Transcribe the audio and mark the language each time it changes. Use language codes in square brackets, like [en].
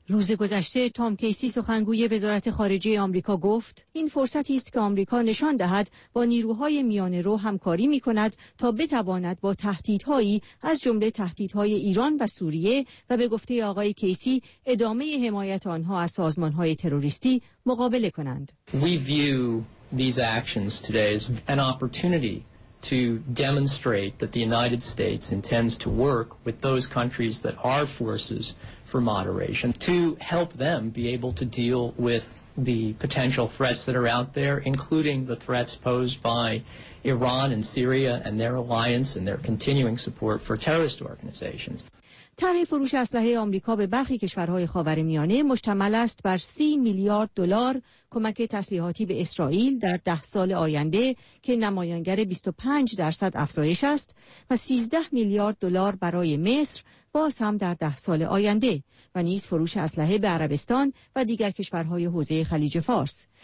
[fa] روز گذشته تام کیسی سخنگوی وزارت خارجه آمریکا گفت این فرصتی است که آمریکا نشان دهد با نیروهای میانه رو همکاری می‌کند تا بتواند با تهدیدهایی از جمله تهدیدهای ایران و سوریه و به گفته آقای کیسی ادامه حمایت آنها از سازمان‌های تروریستی مقابله کنند. [en] We view these actions today as an opportunity to demonstrate that the United States intends to work with those countries that are forces for moderation to help them be able to deal with the potential threats that are out there, including the threats posed by Iran and Syria and their alliance and their continuing support for terrorist organizations. [fa] طرح فروش اسلحه آمریکا به برخی کشورهای خاورمیانه مشتمل است بر 30 میلیارد دلار کمک تسلیحاتی به اسرائیل در 10 سال آینده که نمایانگر 25% افزایش است و 13 میلیارد دلار برای مصر باز هم در 10 سال آینده و نیز فروش اسلحه به عربستان و دیگر کشورهای حوزه خلیج فارس.